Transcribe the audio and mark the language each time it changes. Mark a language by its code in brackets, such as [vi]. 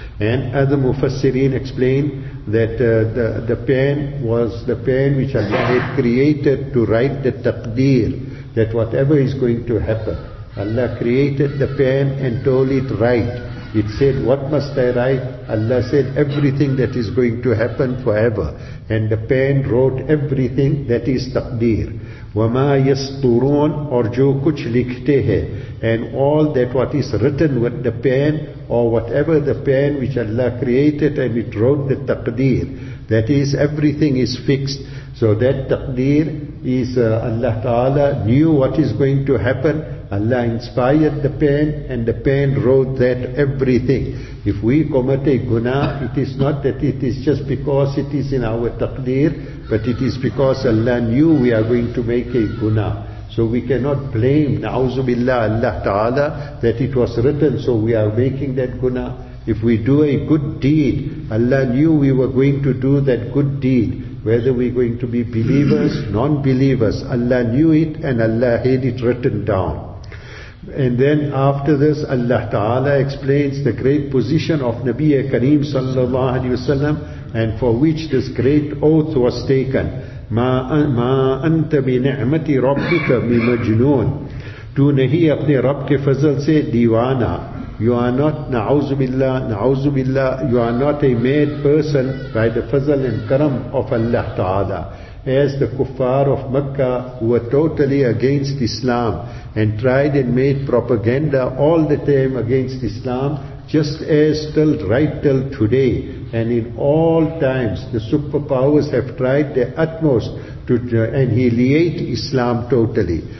[en] And other Mufassirin explain that the pen was the pen which Allah had created to write the taqdeer, that whatever is going to happen. Allah created the pen and told it, write. It said, what must I write? Allah said, everything that is going to happen forever. And the pen wrote everything that is taqdeer. [ar] وَمَا يَسْطُرُونَ [en] or [ur] جو کچھ لکھتے ہیں. [en] And all that what is written with the pen, or whatever the pen which Allah created and it wrote the taqdeer. That is, everything is fixed. So that taqdeer is Allah Ta'ala knew what is going to happen. Allah inspired the pen, and the pen wrote that everything. If we commit a guna, it is not that it is just because it is in our taqdeer, but it is because Allah knew we are going to make a guna. So we cannot blame, na'uzu billah, Allah Ta'ala, that it was written, so we are making that guna. If we do a good deed, Allah knew we were going to do that good deed. Whether we're going to be believers, non-believers, Allah knew it, and Allah had it written down. And then after this, Allah Ta'ala explains the great position of Nabiyyu Kareem sallallahu alayhi wasallam, and for which this great oath was taken. [ar] مَا أَنْتَ بِنِعْمَةِ رَبِّكَ بِمَجْنُونَ. [ur] تُو نہیں اپنے رب کے فضل سے دیوانا. [en] You are not, na'uzubillah, you are not a mad person by the fazal and karam of Allah Ta'ala. As the kuffar of Makkah, who were totally against Islam and tried and made propaganda all the time against Islam, just as till right till today, and in all times, the superpowers have tried their utmost to annihilate Islam totally.